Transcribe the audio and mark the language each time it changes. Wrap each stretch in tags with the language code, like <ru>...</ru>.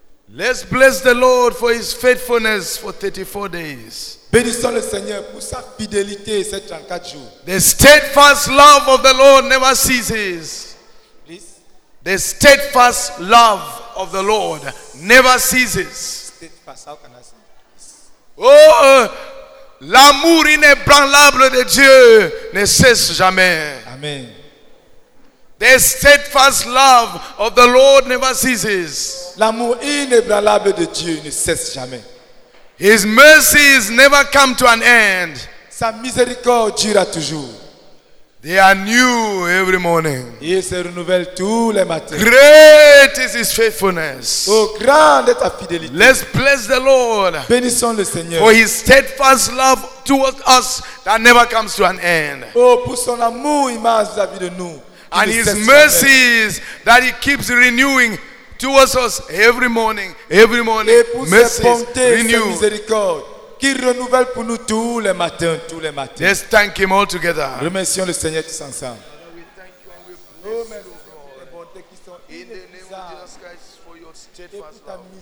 <en>Let's bless the Lord for his faithfulness for 34 days.</en> <fr>Bénissons le Seigneur pour sa fidélité ces 34 jours.</fr> <en>The steadfast love of the Lord never ceases. Please. The steadfast love of the Lord never ceases. Steadfast, how can I say?</en> <fr>Oh, l'amour inébranlable de Dieu ne cesse jamais.</fr> <en>Amen. The steadfast love of the Lord never ceases.</en> <fr>L'amour inébranlable de Dieu ne cesse jamais.</fr> <en>His mercies never come to an end.</en> <fr>Sa miséricorde dure toujours.</fr> <en>They are new every morning.</en> <fr>Il se renouvelle tous les matins.</fr> <en>Great is his faithfulness.</en> <fr>Oh, grande est ta fidélité.</fr> <en>Let's bless the Lord.</en> <fr>Bénissons le Seigneur.</fr> <en>For his steadfast love towards us that never comes to an end.</en> <fr>Oh, pour son amour immense vis-à-vis de nous.</fr> <en>And his mercies that he keeps renewing towards us every morning, mercies renewed.</en> <fr>Qui renouvelle pour nous tous les matins,</fr> <en>let's thank him all together.</en> <fr>Remercions le Seigneur tous ensemble.</fr> <en>We thank you and we bless you, Lord. In the name of Jesus Christ, for your steadfast love.</en>